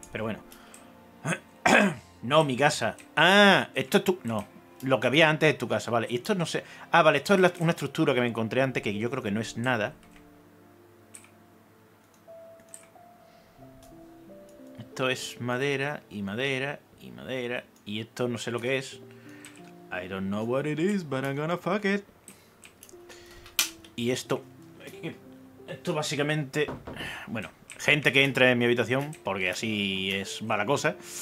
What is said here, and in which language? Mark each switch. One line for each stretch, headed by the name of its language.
Spanish: Pero bueno. No, mi casa. ¡Ah! Esto es tu... No. Lo que había antes es tu casa. Vale, y esto no sé... Ah, vale, esto es una estructura que me encontré antes que yo creo que no es nada. Esto es madera y madera y madera. Y esto no sé lo que es.
English: I don't know what it is, but I'm gonna fuck it.
Spanish: Y esto... Esto básicamente... Bueno, gente que entra en mi habitación, porque así es mala cosa.